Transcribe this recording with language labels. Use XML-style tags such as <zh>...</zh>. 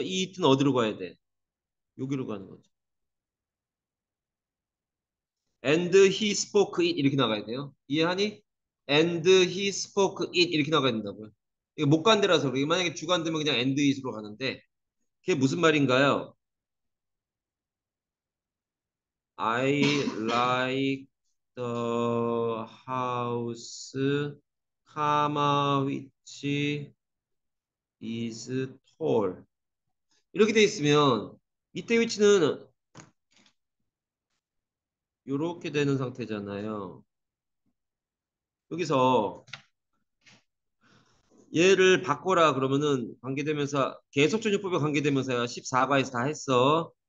<ko>이 이튼 어디로 가야 돼? 여기로 가는 거죠.</ko> <en>And he spoke it</en> <ko>이렇게 나가야 돼요. 이해하니? And he spoke it 이렇게 나가야 된다고요. 이게 목간대라서 그렇게 만약에 주간대면 그냥 and is로 가는데 그게 무슨 말인가요?</ko> <en>I like the house, comma which is tall.</en> <ko>이렇게 돼 있으면 이때 위치는 이렇게 되는 상태잖아요. 여기서 얘를 바꿔라 그러면은 관계대명사 계속 전용법에 관계대명사야 14과에서 다 했어.</ko>